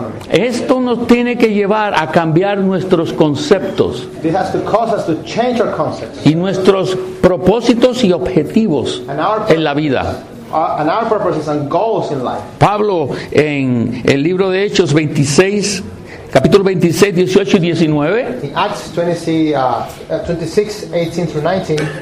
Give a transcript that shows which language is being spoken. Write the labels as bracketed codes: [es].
[es] Esto nos tiene que llevar a cambiar nuestros conceptos. [en] This has to cause us to change our concepts. [es] Y nuestros propósitos y objetivos en la vida. [en] And our purposes and goals in life. [es] Pablo en el libro de Hechos 26, capítulo 26, 18 y 19. [en] In Acts 26, 18-19.